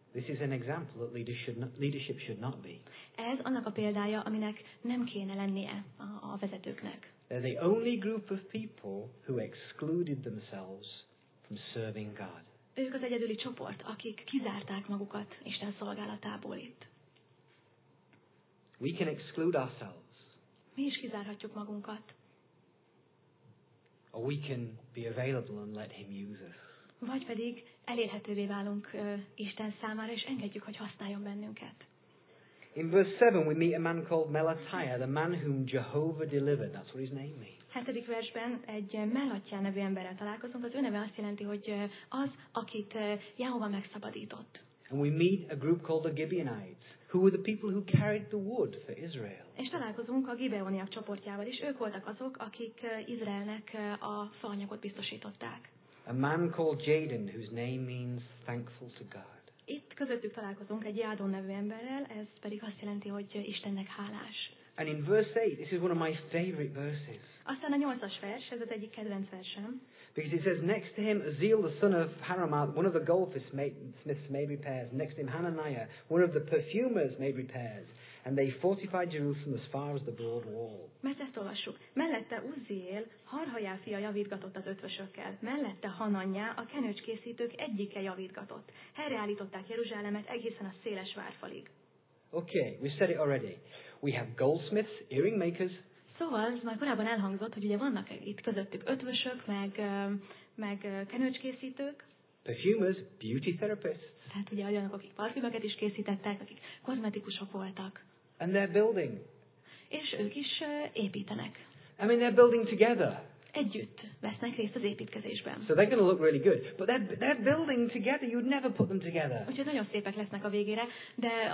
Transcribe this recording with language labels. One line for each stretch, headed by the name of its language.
English: This is an example that leadership should not be.
Hungarian: Ez annak a példája, aminek nem kéne lennie a vezetőknek.
English: They're the only group of people who excluded themselves from serving God.
Hungarian: Ők az egyedüli csoport, akik kizárták magukat Isten szolgálatából itt.
English: We can exclude ourselves.
Hungarian: Mi is kizárhatjuk magunkat.
English: Or we can be available and let him use us.
Hungarian: Vagy pedig elérhetővé válunk Isten számára, és engedjük, hogy használjon bennünket.
English: In verse 7 we meet a man called Melatiah, the man whom Jehovah delivered. That's what his name means.
Hungarian: Hetedik versben egy Melatiah nevű emberrel találkozunk. Az ő neve azt jelenti, hogy az, akit Jehova megszabadított.
English: And we meet a group called the Gibeonites, who were the people who carried the wood for Israel.
Hungarian: És találkozunk a Gibeoniak csoportjával is. Ők voltak azok, akik Izraelnek a faanyagot biztosították.
English: A man called Jaden, whose name means thankful to God.
Hungarian: Itt közöttük találkozunk egy Jádon nevű emberrel, ez pedig azt jelenti, hogy Istennek hálás.
English: And in verse 8, this is one of my favorite verses.
Hungarian: Aztán a 8-as vers, ez az egyik kedvenc versem.
English: Because it says, next to him, Azeel, the son of Harumaph, one of the goldsmiths made repairs. Next to him, Hananiah, one of the perfumers made repairs. And they fortified Jerusalem as far as the broad wall.
Hungarian: Mert ezt olvassuk. Mellette Uzziel, Harhajá fia javítgatott az ötvösökkel. Mellette Hananyá, a kenőcskészítők egyike javítgatott. Helyreállították Jeruzsálemet egészen a széles várfalig.
English: Okay, we said it already. We have goldsmiths, earring makers.
Hungarian: Szóval, ez már korábban elhangzott, hogy ugye vannak itt közöttük ötvösök, meg kenőcskészítők.
English: Perfumers, beauty therapists.
Hungarian: Tehát ugye olyanok, akik parfümöket is készítettek, akik kozmetikusok voltak.
English: And they're building.
Hungarian: És ők is építenek.
English: I mean, they're building together.
Hungarian: Együtt vesznek részt az építkezésben.
English: So they're going to look really good. But they're building together, you'd never put them together.
Hungarian: Úgyhogy nagyon szépek lesznek a végére, de...